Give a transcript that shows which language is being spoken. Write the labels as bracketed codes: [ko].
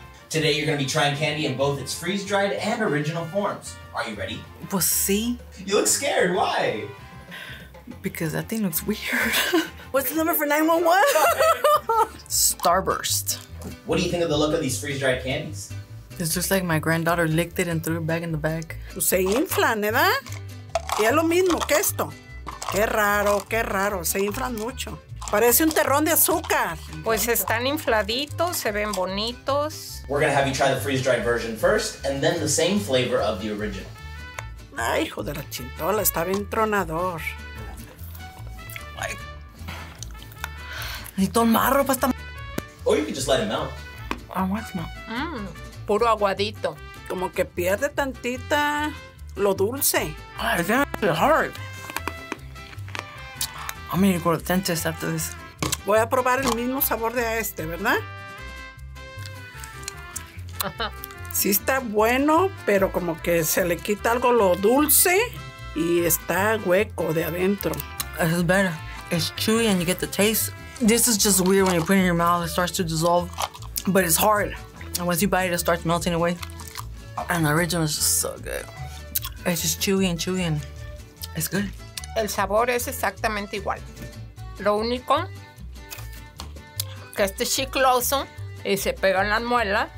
[en] Today, you're going to be trying candy in both its freeze-dried and original forms. Are you ready? [es] Pues sí. [en] You look scared. Why? Because that thing looks weird. What's the number for 911? Starburst. What do you think of the look of these freeze-dried candies? It's just like my granddaughter licked it and threw it back in the bag. [es] Se inflan, ¿verdad? Y es lo mismo que esto. Qué raro, qué raro. Se inflan mucho. Parece un terrón de azúcar. Pues están infladitos, se ven bonitos. [en] We're going to have you try the freeze-dried version first, and then the same flavor of the original. [es] Ay, hijo de la chintola, está bien tronador. Ay. Necesito marro para esta m***. [en] Or you can just let it melt. [es] Aguasma. Puro aguadito. Como que pierde tantita lo dulce. [en] Ay, it's going to be hard. I'm going to go to the dentist after this. [es] Voy a probar el mismo sabor de este, ¿verdad? Sí está bueno, pero como que se le quita algo lo dulce y está hueco de adentro. [en] This is better. It's chewy and you get the taste. This is just weird when you put it in your mouth. It starts to dissolve, but it's hard. And once you bite it, it starts melting away. And the original is just so good. It's just chewy and chewy and it's good. [es] El sabor es exactamente igual. Lo único que este chicloso y se pegan las muelas.